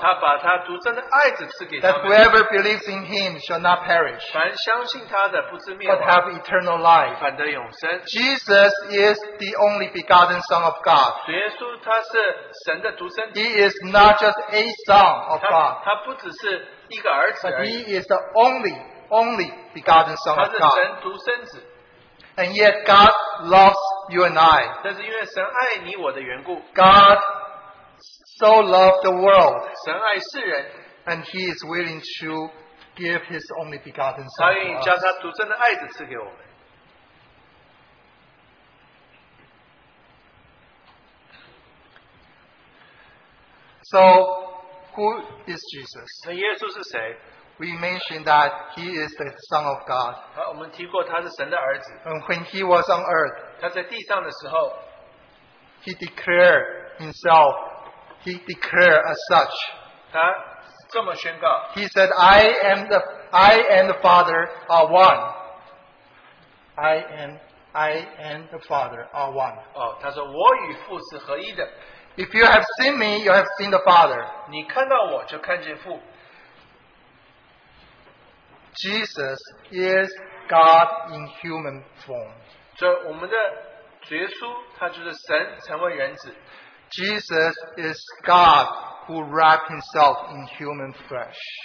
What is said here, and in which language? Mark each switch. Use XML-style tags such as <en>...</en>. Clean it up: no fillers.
<zh>他把他独生的爱子赐给他们,</zh> <en>that whoever believes in Him shall not perish,</en> <zh>凡相信他的不至灭亡,</zh> <en>but have eternal life.</en> <zh>反得永生,</zh> <en>Jesus is the only begotten Son of God.</en> <zh>耶稣他是神的独生子,</zh> <en>He is not just a son of God,</en> <zh>他不只是一个儿子而已,</zh> <en>but He is the only begotten Son of God.</en> <zh>他是神独生子,</zh> <en>and yet God loves you and I.</en> <zh>但是因为神爱你我的缘故,</zh> <en>God so loved the world,</en> <zh>神爱世人,</zh> <en>and He is willing to give His only begotten Son to us. So, who is Jesus?</en> <zh>那耶稣是谁?</zh> <en>We mentioned that He is the Son of God.</en> <zh>我们提过他是神的儿子,</zh> <en>and when He was on earth,</en> <zh>他在地上的时候,</zh> <en>He declared Himself, He declared as such.</en> <zh>他这么宣告,</zh> <en>He said, I and the Father are one. I and the Father are one.</en> <zh>哦,他说我与父是合一的。</zh> <en>If you have seen me, you have seen the Father.</en> <zh>你看到我就看见父。</zh> <en>Jesus is God in human form.</en> <zh>所以我们的主耶稣他就是神成为人子。</zh> <en>Jesus is God who wrapped Himself in human flesh.</en>